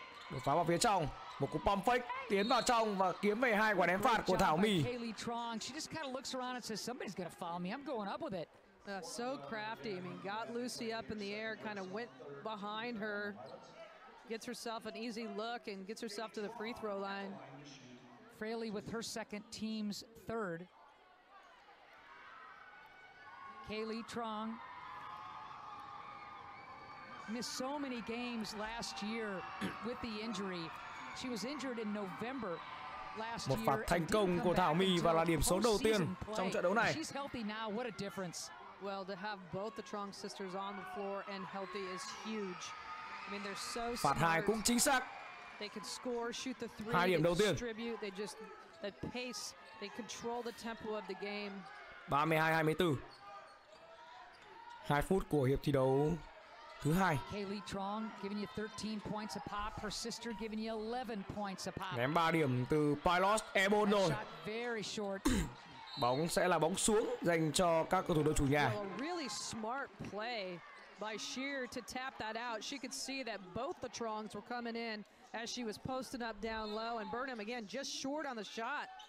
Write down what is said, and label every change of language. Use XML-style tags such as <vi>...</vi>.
<vi>Đột phá vào phía trong. Một cú pump fake tiến vào trong và kiếm về hai quả ném phạt của Thảo Mi.</vi> <en>She just kind of looks around and says, somebody's gonna follow me. I'm going up with it. So crafty. I mean, got Lucy up in the air, kind of went behind her, gets herself an easy look and gets herself to the free throw line. Fraley with her second, team's third. Kaylee Trong. missed so many games last year with the injury. She was injured in November last year.</en> <vi>Một phát thành công của Thảo Mì và là điểm số đầu tiên trong trận đấu này.</vi> <en>She's healthy now. What a difference. Well, to have both the Trong sisters on the floor and healthy is huge. I mean, they're so smart.</en> <vi>Phát hai cũng chính xác.</vi> <en>They can score, shoot the three.</en> <vi>Hai điểm đầu tiên.</vi> <en>They just the pace, they control the tempo of the game. 32-24.</en> <vi>2 phút của hiệp thi đấu thứ hai.</vi> <en>Kaylee Trong giving you 13 points a pop, her sister giving you 11 points a pop.</en> <vi>Ném 3 điểm từ Pylos Ebon rồi.</vi> <en>Very short.</en> <vi>Bóng sẽ là bóng xuống dành cho các cầu thủ đội chủ nhà.</vi> <en>A really smart play by Shear to tap that out. She could see that both the Trongs were coming in as she was posting up down low, and Burnham again just short on the shot.</en>